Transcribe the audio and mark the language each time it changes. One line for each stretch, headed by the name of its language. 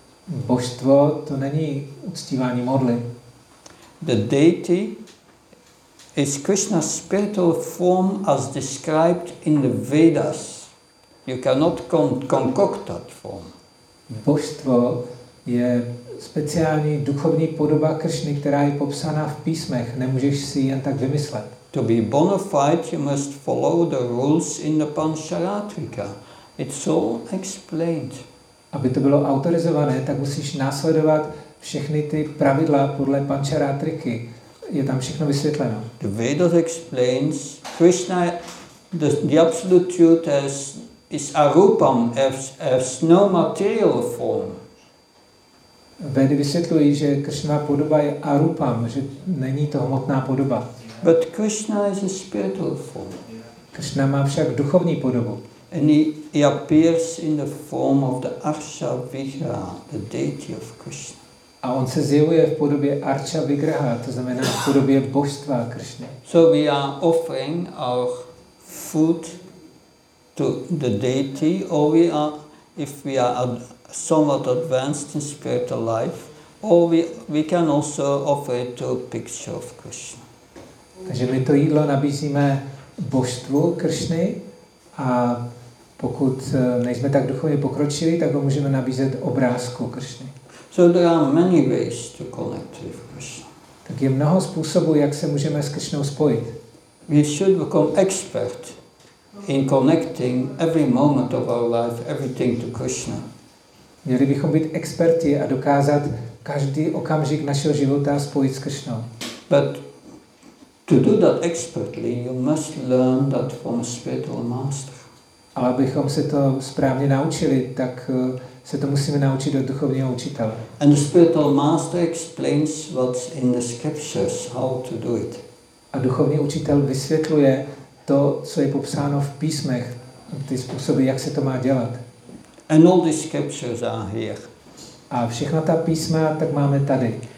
Czech: Božstvo to není uctívání modly.
English: The deity is Krishna's spiritual form as described in the Vedas. You cannot concoct that form.
Czech: Božstvo je speciální duchovní podoba Kršny, která je popsaná v písmech. Nemůžeš si jen tak vymyslet.
English: To be bona fide, you must follow the rules in the Pancharatrika. It's all explained.
Czech: Aby to bylo autorizované, tak musíš následovat všechny ty pravidla podle Pancharatriky. je tam všechno vysvětleno.
English: The Vedas explains Krishna, the absolute truth is arupam, as no material form.
Czech: Vedy vysvětlují, že Krishna podoba je arupam, že není to hmotná podoba.
English: But Krishna is a spiritual form.
Czech: Krishna má však duchovní podobu.
English: And he appears in the form of the Arsha Vigraha, the deity of Krishna.
Czech: A on se zjevuje v podobě Arsha Vigraha, to znamená v podobě božstva Krishna.
English: So we are offering our food to the deity, or we are, if we are somewhat advanced in spiritual life, or we can also offer it to a picture of Krishna.
Czech: Takže my to jídlo nabízíme božstvu Krishny, a pokud nejsme tak duchovně pokročili, tak ho můžeme nabízet obrázku Krishny.
English: So there are many ways to connect with Krishna.
Czech: Tak je mnoho způsobů, jak se můžeme s Krishnou spojit.
English: We should become expert in connecting every moment of our life, everything to Krishna.
Czech: Měli bychom být experti a dokázat každý okamžik našeho života spojit s Krishnou.
English: But to do that expertly, you must learn that from a spiritual master.
Czech: Ale abychom se to správně naučili, tak se to musíme naučit od duchovního učitele.
English: And the spiritual master explains what's in the scriptures, how to do it.
Czech: A duchovní učitel vysvětluje to, co je popsáno v písmech, ty způsoby, jak se to má dělat.
English: And all the scriptures are here.
Czech: A všechna ta písma tak máme tady.